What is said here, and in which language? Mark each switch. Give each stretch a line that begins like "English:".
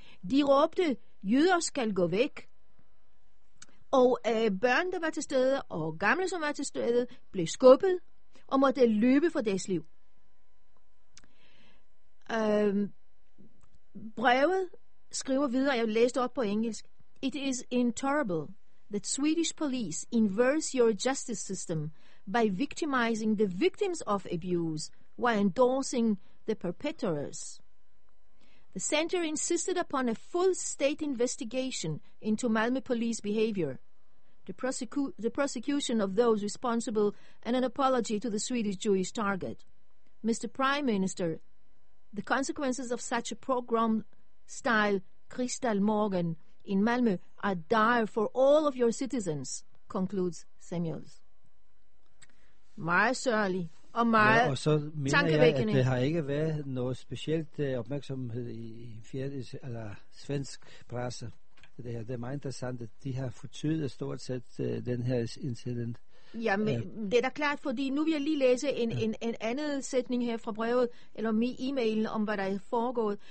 Danish: De råbte, jøder skal gå væk. Og børn, der var til stede, og gamle, som var til stede, blev skubbet og måtte løbe for deres liv. Brevet skriver videre, jeg læste op på engelsk.
English: It is intolerable that Swedish police inverse your justice system by victimizing the victims of abuse while endorsing the perpetrators. The center insisted upon a full state investigation into Malmö police behavior, the prosecution of those responsible, and an apology to the Swedish Jewish target. Mr. Prime Minister, the consequences of such a program style Kristallmorgon in Malmö are dire for all of your citizens, concludes Samuels.
Danish: Meget sørgelig og meget tankevækkende. Ja, og så mener jeg, at det har ikke været noget specielt opmærksomhed i svensk presse. Det her, det er meget interessant, at de har fortydet stort set den her incident. Ja, men det er da klart, fordi nu vil jeg lige læse en anden sætning her fra brevet, eller e-mailen om, hvad der er foregået.